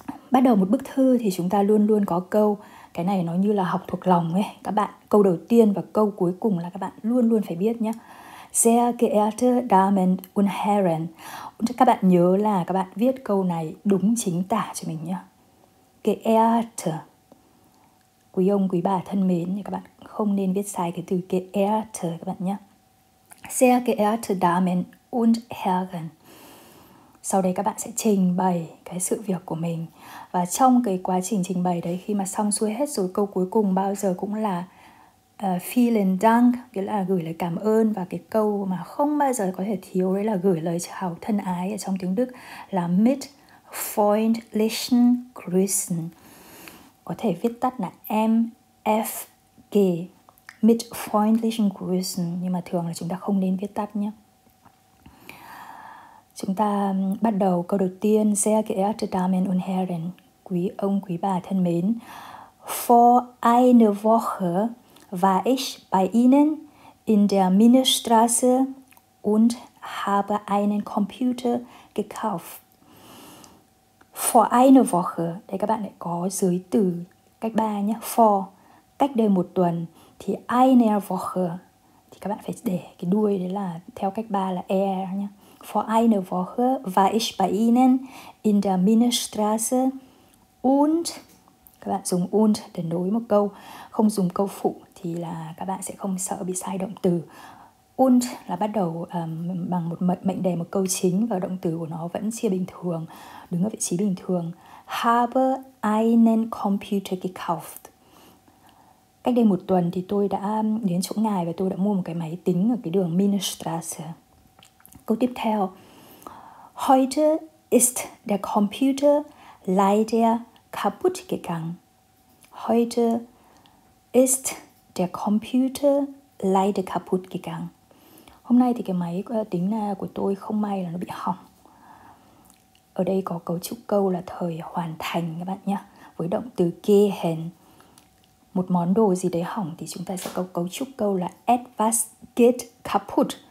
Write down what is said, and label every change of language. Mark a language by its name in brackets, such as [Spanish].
[Vietnamese] Bắt đầu một bức thư thì chúng ta luôn luôn có câu. Cái này nó như là học thuộc lòng ấy. Các bạn, câu đầu tiên và câu cuối cùng là các bạn luôn luôn phải biết nhé. [German] Sehr geehrte Damen und Herren. [Vietnamese] Các bạn nhớ là các bạn viết câu này đúng chính tả cho mình nhé. Geehrte. Quý ông, quý bà thân mến, thì các bạn không nên viết sai cái từ geehrte các bạn nhé. [German] Sehr geehrte Damen und Herren. [Vietnamese] Sau đây các bạn sẽ trình bày cái sự việc của mình. Và trong cái quá trình trình bày đấy, khi mà xong xuôi hết rồi, câu cuối cùng bao giờ cũng là [German] vielen Dank, [Vietnamese] nghĩa là gửi lời cảm ơn. Và cái câu mà không bao giờ có thể thiếu đấy là gửi lời chào thân ái ở trong tiếng Đức là [German] mit freundlichen Grüßen, [Vietnamese] có thể viết tắt là MFG, mit freundlichen Grüßen, nhưng mà thường là chúng ta không nên viết tắt nhé. Chúng ta bắt đầu câu đầu tiên. [German] Sehr geehrte Damen und Herren. [Vietnamese] Quý ông, quý bà thân mến. [German] Vor eine Woche war ich bei Ihnen in der Minestrasse und habe einen Computer gekauft. Vor eine Woche. [Vietnamese] Đây các bạn lại có dưới từ cách 3 nhé. Vor, cách đây một tuần. Thì [German] eine Woche, [Vietnamese] thì các bạn phải để cái đuôi đấy là theo cách 3 là er nhé. [German] Vor einer Woche war ich bei Ihnen in der Minestrasse und, [Vietnamese] các bạn dùng und để nối một câu, không dùng câu phụ thì là các bạn sẽ không sợ bị sai động từ. Und là bắt đầu bằng một mệnh đề, một câu chính, và động từ của nó vẫn chia bình thường, đứng ở vị trí bình thường. [German] Habe einen Computer gekauft. [Vietnamese] Cách đây một tuần thì tôi đã đến chỗ ngài và tôi đã mua một cái máy tính ở cái đường Minestrasse. Câu tiếp theo. [German] Heute ist der Computer leider kaputt gegangen. Heute ist der Computer leider kaputt gegangen. [Vietnamese] Hôm nay thì cái máy tính của tôi không may là nó bị hỏng. Ở đây có cấu trúc câu là thời hoàn thành các bạn nhé, với động từ gehen. Một món đồ gì đấy hỏng thì chúng ta sẽ có cấu trúc câu là [German] etwas geht kaputt.